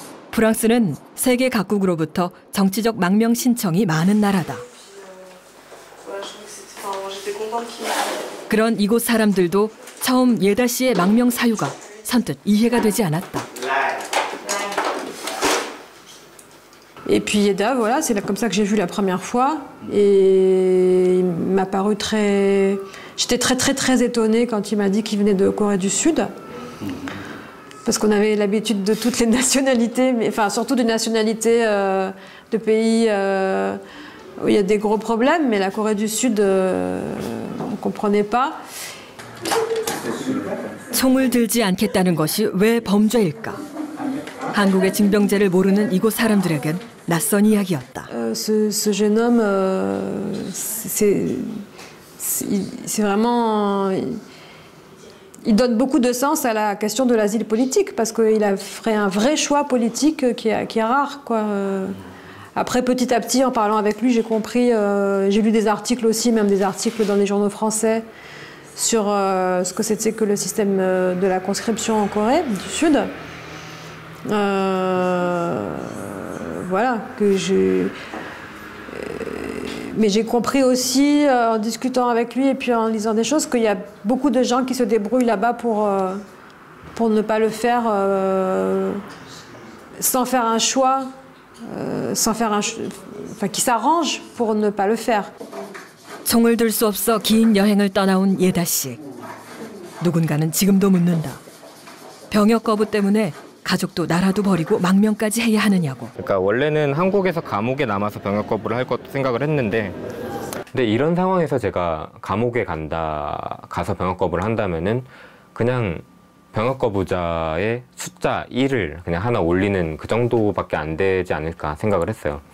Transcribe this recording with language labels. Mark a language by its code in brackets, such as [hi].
[ko] 프랑스는 세계 각국으로부터 정치적 망명 신청이 많은 나라다. 그런 이곳 사람들도 처음 예다 씨의 망명 사유가 선뜻 이해가 되지 않았다. [fr] Et puis Yeda, voilà, c'est comme ça que j'ai vu la première fois. Et il m'a paru très... J'étais très, très, très étonnée quand il m'a dit qu'il venait de Corée du Sud. Parce qu'on avait l'habitude de toutes les nationalités, mais, enfin, surtout des nationalités de pays où il y a des gros problèmes. Mais la Corée du Sud, on ne comprenait pas. [ko] 총을 들지 않겠다는 것이 왜 범죄일까? 한국의 징병제를 모르는 이곳 사람들에겐 낯선 이야기였다. [fr] Ce jeune homme, c'est vraiment, il donne beaucoup de sens à la question de l'asile politique parce qu'il a fait un vrai choix politique qui est rare, quoi. Après, petit à petit, en parlant avec lui, j'ai compris, j'ai lu des articles aussi, même des articles dans les journaux français sur ce que c'était que le système de la conscription en Corée du Sud. Voilà, que j'ai... Mais j'ai compris aussi, en discutant avec lui et puis en lisant des choses, qu'il y a beaucoup de gens qui se débrouillent là-bas pour ne pas le faire sans faire un choix, enfin, qui s'arrangent pour ne pas le faire. [ko] 총을 들 수 없어 긴 여행을 떠나온 예다 씨. 누군가는 지금도 묻는다. 병역 거부 때문에 가족도 나라도 버리고 망명까지 해야 하느냐고. 그러니까 원래는 한국에서 감옥에 남아서 병역 거부를 할 것도 생각을 했는데 근데 이런 상황에서 제가 감옥에 간다 가서 병역 거부를 한다면은 그냥 병역 거부자의 숫자 1을 그냥 하나 올리는 그 정도밖에 안 되지 않을까 생각을 했어요.